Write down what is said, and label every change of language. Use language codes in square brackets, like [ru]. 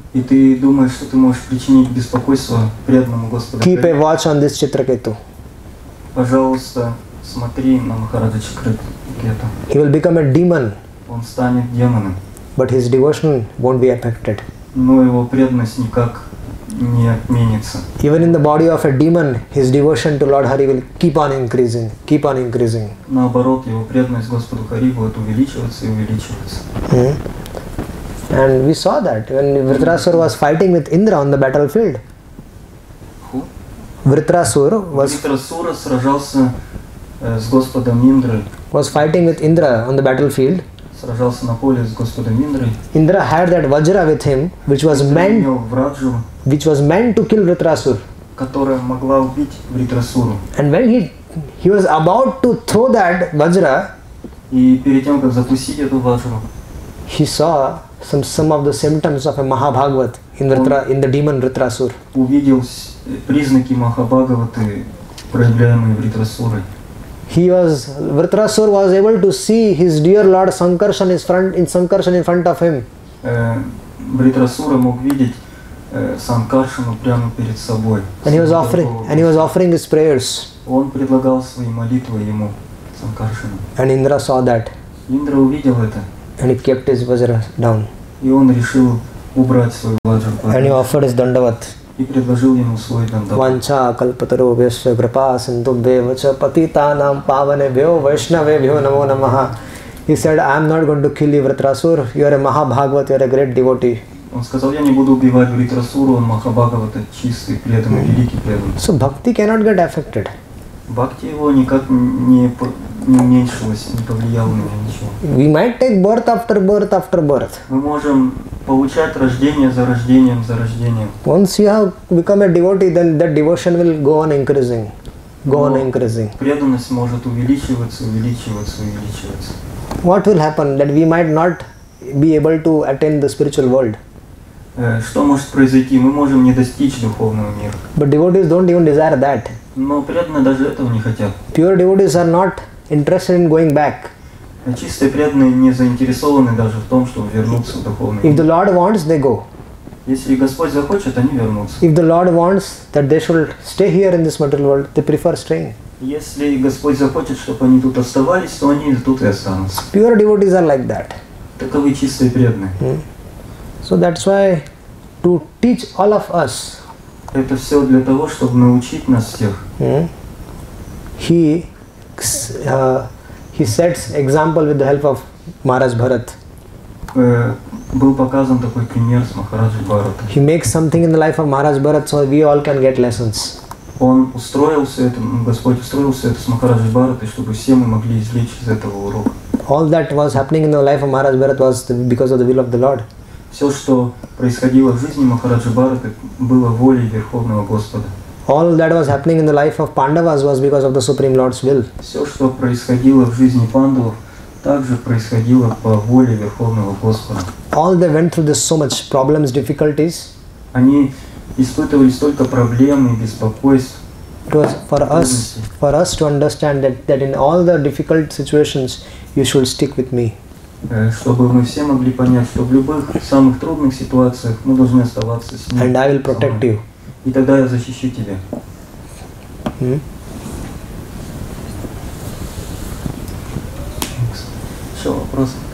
[ru] И ты думаешь, что ты можешь причинить беспокойство преданному Господу Хари? [en] Keep a watch on this Chitraketu. [ru] Пожалуйста, смотри на Махараджа Чакрету. [en] He will become a demon. [ru] Он станет демоном. [en] But his devotion won't be affected. [ru] Но его преданность никак не отменится. [en] Even in the body of a demon, his devotion to Lord Hari will keep on increasing. [ru] Наоборот, его преданность Господу Хари будет увеличиваться и увеличиваться. [en] And we saw that when Vritrasura was fighting with Indra on the battlefield. Who? Vritrasura [ru] сражался с Господом Индрой. [en] Was fighting with Indra on the battlefield. [ru] Сражался на поле с Господом Индрой. [en] Indra had that Vajra with him, which was meant to kill Vritrasura. [ru] Которая могла убить Вритрасуру. [en] And when he was about to throw that Vajra, [ru] и перед тем, как запустить эту Vajra, [en] he saw some of the symptoms of a Mahabhagavat in the demon Vritrasura. [ru] Увидел признаки Махабхагаваты, проявляемые Вритрасурой. [en] Vritrasura was able to see his dear Lord Sankarshan in front of him. [ru] Vritrasura мог видеть Sankarshana прямо перед собой. [en] And he was offering his prayers. [ru] Он предлагал свои молитвы ему, Sankarshana. [en] And Indra saw that. [ru] Indra увидел это. [en] And he kept his vajra down. [ru] И он решил убрать свой vajra. [en] And he offered his dandavat. [ru] И предложил ему свой дандават. [sa] Ванча калпатару вешва брапасинду бевача патитанам паване вео вешнаве вео намо намаха. [en] He said, I am not going to kill you, Vritrasura. You are a Mahabhagavat, you are a great devotee. [ru] Он сказал, я не буду убивать Вритрасуру, он Махабхагавата, чистый, преданный, великий преданный. [en] So, bhakti cannot get affected. [ru] Бхакти его никак не уменьшилось, не повлияло на него ничего. [en] We might take birth after birth after birth. [ru] Мы можем получать рождение за рождением за рождением. [en] Once you have become a devotee, then that devotion will go on increasing. Go on increasing. [ru] Преданность может увеличиваться, увеличиваться, увеличиваться. [en] what will happen? That we might not be able to attain the spiritual world. [ru] Что может произойти? Мы можем не достичь духовного мира. [en] But devotees don't even desire that. [ru] Но преданные даже этого не хотят. [en] Pure devotees are not interested in going back. [ru] Чистые преданные не заинтересованы даже в том, чтобы вернуться в духовный мир. [en] If the Lord wants, they go. [ru] Если Господь захочет, они вернутся. [en] If the Lord wants that they should stay here in this material world, they prefer staying. [ru] Если Господь захочет, чтобы они тут оставались, то они тут и останутся. [en] Pure devotees are like that. [ru] Таковы чистые преданные. Mm. [en] So that's why to teach all of us. [ru] Это все для того, чтобы научить нас всех. Mm. [en] He sets example with the help of Maharaj Bharat. [ru] Был показан такой пример с Махараджи Бхаратом. [en] He makes something in the life of Maharaj Bharat, so we all can get lessons. [ru] Он устроил все это, Господь устроил все это с Махараджи Бхаратой, чтобы все мы могли извлечь из этого урок. [en] All that was happening in the life of Maharaj Bharat was because of the will of the Lord. [ru] Все, что происходило в жизни Махараджи Бхараты, было волей Верховного Господа. [en] All that was happening in the life of Pandavas was because of the Supreme Lord's will. [ru] Все, что происходило в жизни Пандавов, также происходило по воле Верховного Господа. [en] All they went through this so much problems, difficulties. [ru] Они испытывали столько проблем и беспокойств. [en] It was for us to understand that in all the difficult situations, you should stick with me. [ru] Чтобы мы все могли понять, что в любых самых трудных ситуациях мы должны оставаться с ним. [en] And I will protect you. [ru] И тогда я защищу тебя. Все, вопрос.